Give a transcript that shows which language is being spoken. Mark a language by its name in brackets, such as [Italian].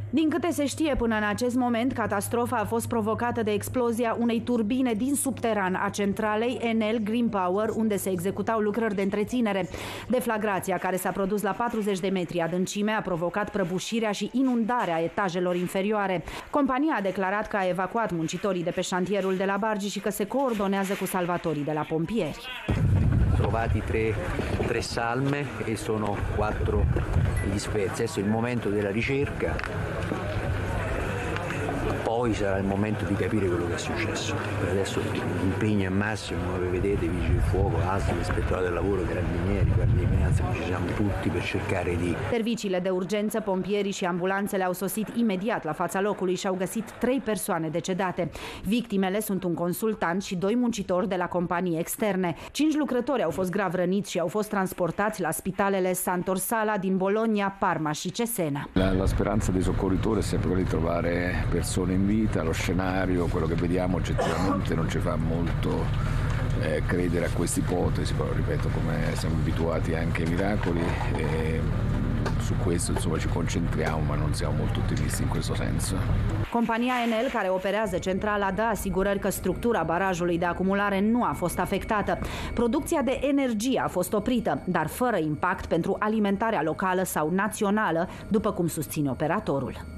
[Romanian] Din câte se știe până în acest moment, catastrofa a fost provocată de explozia unei turbine din subteran a centralei Enel Green Power, unde se executau lucrări de întreținere. Deflagrația, care s-a produs la 40 de metri adâncime, a provocat prăbușirea și inundarea etajelor inferioare. Compania a declarat că a evacuat muncitorii de pe șantierul de la Bargi și că se coordonează cu salvatorii de la pompieri. [Italian] Trovati tre salme e sono quattro gli spezzi. Adesso il momento della ricerca. Poi sarà il momento di capire quello che è successo. Adesso l'impegno è massimo, come vedete, vigili del fuoco, ASL, ispettorato del lavoro, carabinieri, guardie di finanza, ci siamo tutti per cercare di... [Romanian] Serviciile de urgență, pompierii și ambulanțele au sosit imediat la fața locului și au găsit 3 persoane decedate. Victimele sunt un consultant și 2 muncitori de la companii externe. 5 lucrători au fost grav răniți și au fost transportați la spitalele Sant'Orsola din Bologna, Parma și Cesena. [Italian] La speranza dei soccorritori è sempre quella di trovare persone in vita, lo scenario, quello che vediamo oggettivamente non ci fa molto credere a questa ipotesi, però ripeto, come siamo abituati anche ai miracoli, su questo insomma ci concentriamo, ma non siamo molto ottimisti in questo senso. [Romanian] Compania Enel, care operează centrala, dă asigurări că structura barajului de acumulare nu a fost afectată. Producția de energie a fost oprită, dar fără impact pentru alimentarea locală sau națională, după cum susține operatorul.